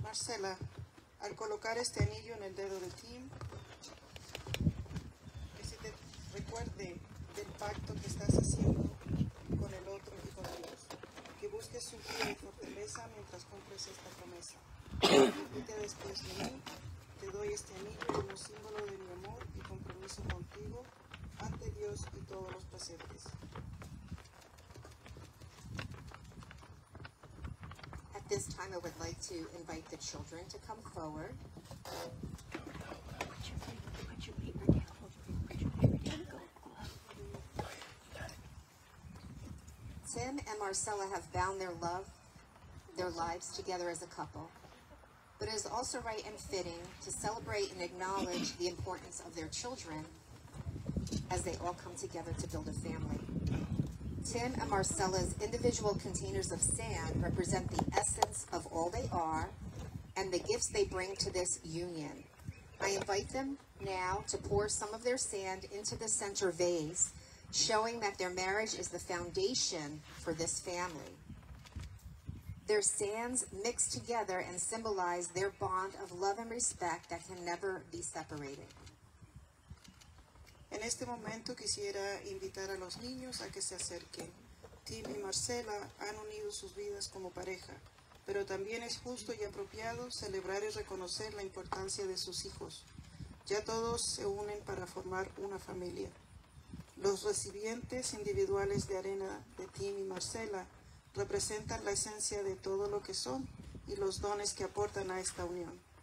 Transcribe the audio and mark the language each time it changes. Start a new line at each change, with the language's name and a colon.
Spanish: Marcela, al colocar este anillo en el dedo de Tim, que se te recuerde del pacto que estás haciendo con el otro y con Dios. Que busques su guía y fortaleza mientras cumples esta promesa. Repite después de mí, te doy este anillo como símbolo de mi amor y compromiso contigo, ante Dios y todos los presentes.
English: At this time, I would like to invite the children to come forward. Tim and Marcela have bound their love, their lives together as a couple, but it is also right and fitting to celebrate and acknowledge the importance of their children as they all come together to build a family. Tim and Marcela's individual containers of sand represent the essence of all they are and the gifts they bring to this union. I invite them now to pour some of their sand into the center vase, showing that their marriage is the foundation for this family. Their sands mix together and symbolize their bond of love and respect that can never be separated.
Spanish: En este momento quisiera invitar a los niños a que se acerquen. Tim y Marcela han unido sus vidas como pareja, pero también es justo y apropiado celebrar y reconocer la importancia de sus hijos. Ya todos se unen para formar una familia. Los recipientes individuales de arena de Tim y Marcela representan la esencia de todo lo que son y los dones que aportan a esta unión.